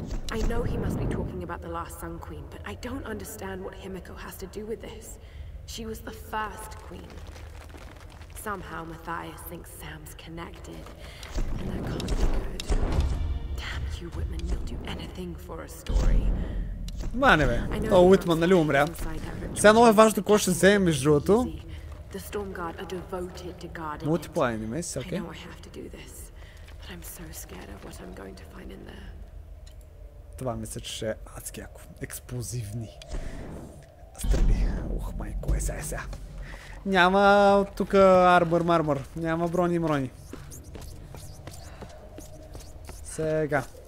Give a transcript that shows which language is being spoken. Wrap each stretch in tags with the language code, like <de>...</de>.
<en>I know he must be talking about the last Sun Queen, but I don't understand what Himiko has to do with this. She was the first queen. Somehow Matthias thinks Sam's connected, and that can't be good. Damn you, Whitman, you'll do anything for a story.</en> <bg>Мане бе, то Уитман, нали умря? Сега много е важно, кой ще вземе между другото.</bg> <en>The Stormguard are devoted to guarding it. Multiple enemies, okay. I know I have to do this, but I'm so scared of what I'm going to find in there.</en> <bg>Това мисля, че ще е адски яко. Експлозивни стрели. Ох, майко, е сега. Няма тук армор. Няма брони. Сега.</bg>